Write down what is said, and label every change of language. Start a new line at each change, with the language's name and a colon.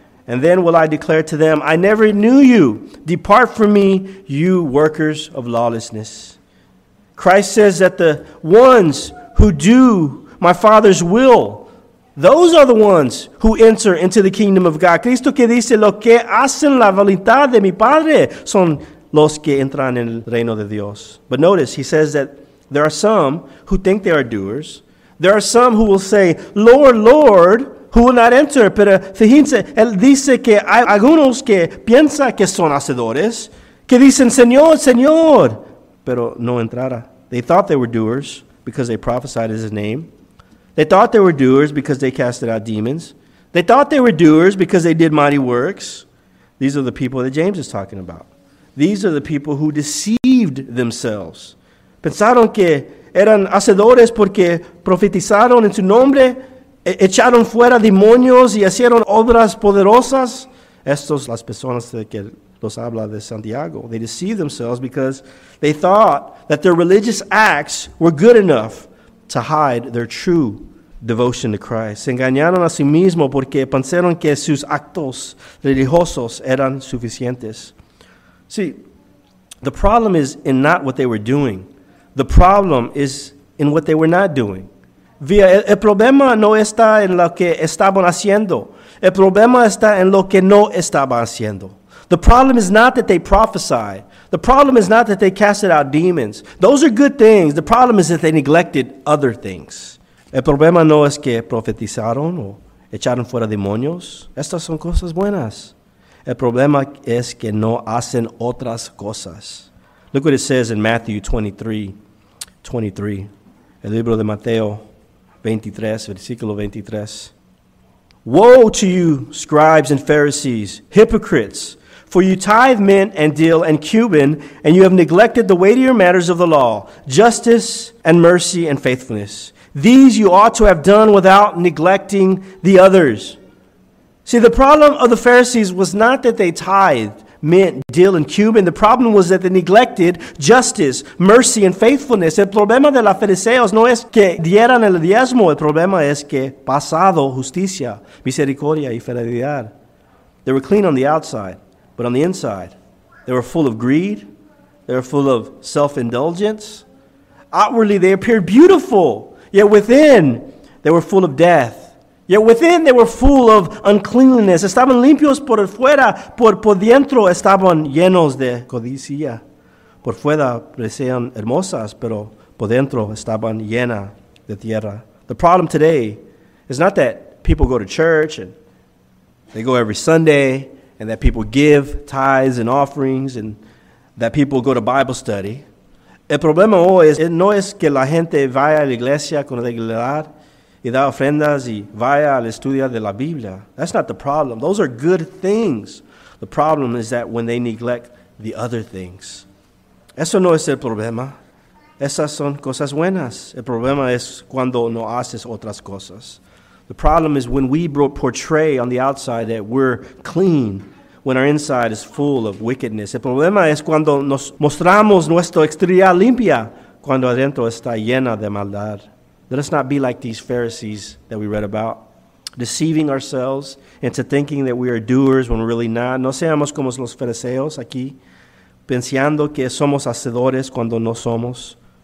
English: And then will I declare to them, I never knew you. Depart from me, you workers of lawlessness. Christ says that the ones who do my Father's will, those are the ones who enter into the kingdom of God.
Spanish: Cristo que dice, lo que hacen la voluntad de mi Padre son los que entran en el reino de Dios.
English: But notice, he says that there are some who think they are doers. There are some who will say, Lord, Lord, who will not enter.
Spanish: Pero fíjense, él dice que hay algunos que piensan que son hacedores, que dicen, Señor, Señor, pero no entrará.
English: They thought they were doers because they prophesied his name. They thought they were doers because they casted out demons. They thought they were doers because they did mighty works. These are the people that James is talking about. These are the people who deceived themselves.
Spanish: Pensaron que eran hacedores porque profetizaron en su nombre, echaron fuera demonios y hicieron obras poderosas. Estos las personas de que los habla de Santiago.
English: They deceived themselves because they thought that their religious acts were good enough to hide their true devotion to Christ.
Spanish: Se engañaron a sí mismo porque pensaron que sus actos religiosos eran suficientes.
English: See, the problem is in not what they were doing. The problem is in what they were not doing.
Spanish: El problema no está en lo que estaban haciendo. El problema está en lo que no estaban haciendo.
English: The problem is not that they prophesied. The problem is not that they casted out demons. Those are good things. The problem is that they neglected other things.
Spanish: El problema no es que profetizaron o echaron fuera demonios. Estas son cosas buenas. El problema es que no hacen otras cosas.
English: Look what it says in Matthew 23:23.
Spanish: El libro de Mateo 23, versículo 23.
English: Woe to you, scribes and Pharisees, hypocrites! For you tithe mint and dill and cumin, and you have neglected the weightier matters of the law, justice and mercy and faithfulness. These you ought to have done without neglecting the others. See, the problem of the Pharisees was not that they tithed mint, dill, and cumin. The problem was that they neglected justice, mercy, and faithfulness.
Spanish: El problema de los fariseos no es que dieran el diezmo. El problema es que pasado justicia, misericordia y fidelidad.
English: They were clean on the outside, but on the inside, they were full of greed. They were full of self-indulgence. Outwardly, they appeared beautiful. Yet within, they were full of death. Yet within, they were full of uncleanliness.
Spanish: Estaban limpios por fuera, por dentro estaban llenos de codicia. Por fuera parecían hermosas, pero por dentro estaban llena de tierra.
English: The problem today is not that people go to church and they go every Sunday and that people give tithes and offerings and that people go to Bible study.
Spanish: El problema hoy es, no es que la gente vaya a la iglesia con regularidad y da ofrendas y vaya al estudio de la Biblia.
English: That's not the problem. Those are good things. The problem is that when they neglect the other things.
Spanish: Eso no es el problema. Esas son cosas buenas. El problema es cuando no haces otras cosas.
English: The problem is when we portray on the outside that we're clean, when our inside is full of wickedness.
Spanish: El problema es cuando nos mostramos nuestra exterior limpia, cuando adentro está llena de maldad.
English: Let us not be like these Pharisees that we read about, deceiving ourselves into thinking that we are doers when we're really not.
Spanish: No seamos como los fariseos aquí, pensando que somos hacedores cuando no somos.